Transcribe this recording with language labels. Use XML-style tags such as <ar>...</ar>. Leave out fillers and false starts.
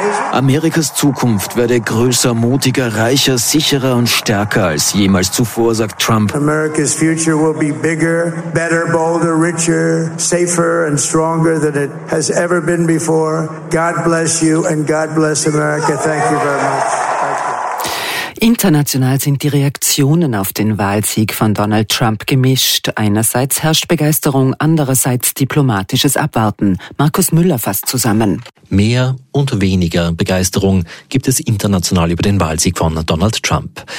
<de>Amerikas Zukunft werde größer, mutiger, reicher, sicherer und stärker als jemals zuvor, sagt Trump.</de> <en>America's future will be bigger, better, bolder, richer, safer and stronger than it has ever been before. God bless you and God bless America. Thank you very much.</en> <de>International sind die Reaktionen auf den Wahlsieg von Donald Trump gemischt. Einerseits herrscht Begeisterung, andererseits diplomatisches Abwarten. Markus Müller fasst zusammen. Mehr und weniger Begeisterung gibt es international über den Wahlsieg von Donald Trump.</de>